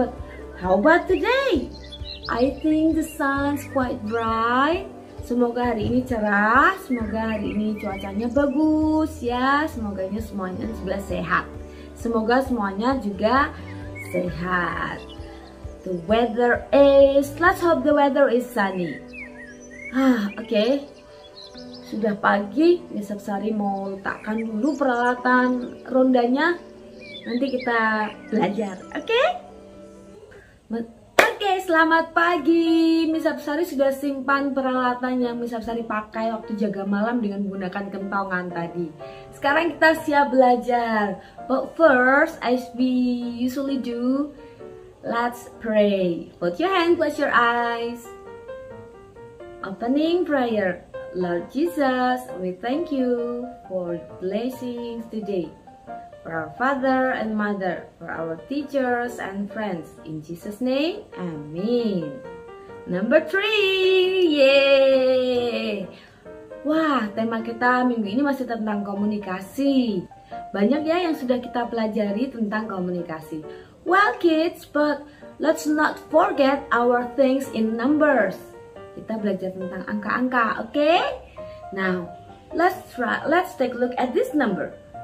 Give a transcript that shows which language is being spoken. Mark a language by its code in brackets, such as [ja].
[en] But how about today? I think the sun's quite bright. [id] Semoga hari ini cerah, semoga hari ini cuacanya bagus ya. Semoga ini semuanya juga sehat. Semoga semuanya juga sehat. [en] The weather is, let's hope the weather is sunny. [id] Okay. Sudah pagi, Miss Apsari mau letakkan dulu peralatan rondanya. Nanti kita belajar, okay? Okay, selamat pagi. Miss Apsari sudah simpan peralatan yang Miss Apsari pakai waktu jaga malam dengan menggunakan kentongan tadi. Sekarang kita siap belajar. [en] But first, as we usually do, let's pray. Put your hand, close your eyes. Opening prayer. Lord Jesus, we thank you for blessings today. For our father and mother, for our teachers and friends. In Jesus' name, amen. Number 3, yay! [id] Wah, tema kita minggu ini masih tentang komunikasi. Banyak ya yang sudah kita pelajari tentang komunikasi. [en] Well kids, but let's not forget our things in numbers. [id] Kita belajar tentang angka-angka, [en] okay? Now, let's take a look at this number.